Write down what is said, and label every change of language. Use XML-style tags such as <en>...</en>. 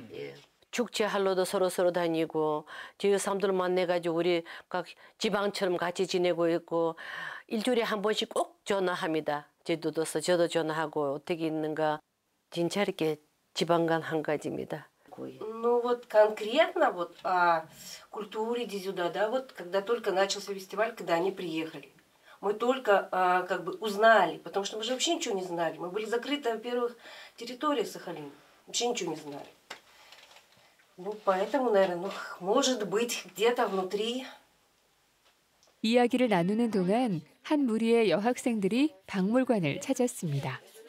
<ko>예. 축제할로도 서로서로 다니고 제주산들 만나가지고 우리 각 지방처럼 같이 지내고 있고 일주일에 한 번씩 꼭 전화합니다. 제주도서 저도 전화하고 어떻게 있는가 진짜 이렇게 지방간 한 가지입니다.</ko> <ru>뭐, вот конкретно вот о культуре Джеджудо, да, вот когда только начался фестиваль, когда они приехали, мы только как бы узнали, потому что мы же вообще ничего не знали, мы были закрыты, во-первых, территория Сахалина, вообще ничего не знали. Ну, поэтому, наверное, ну, может быть где-то внутри.</ru> <ko>이야기를 나누는 동안 한 무리의 여학생들이 박물관을 찾았습니다.</ko>